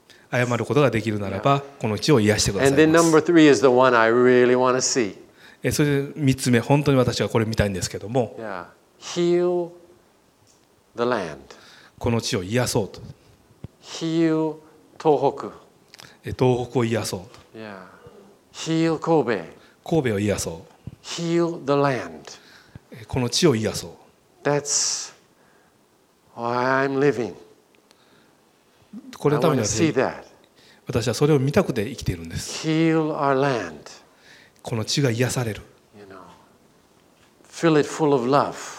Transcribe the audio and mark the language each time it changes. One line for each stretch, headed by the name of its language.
Japanese: 謝ることができるならば、この地を癒してください。
English: And then number three is the one I really want to see.
Japanese: それで3つ目、本当に私はこれ見たいんですけども。
English: Heal the land.
Japanese: この地を癒そうと。
English: Heal 東北。
Japanese: 東北を癒そうと。
English: Heal 神戸。
Japanese: 神戸を癒そう。
English: Heal the land.
Japanese: この地を癒そう。
English: That's why I'm living.
Japanese: これのために私はそれを見たくて生きているんです。
English: Heal our land.
Japanese: この地が癒される。
English: You know, fill it full of love.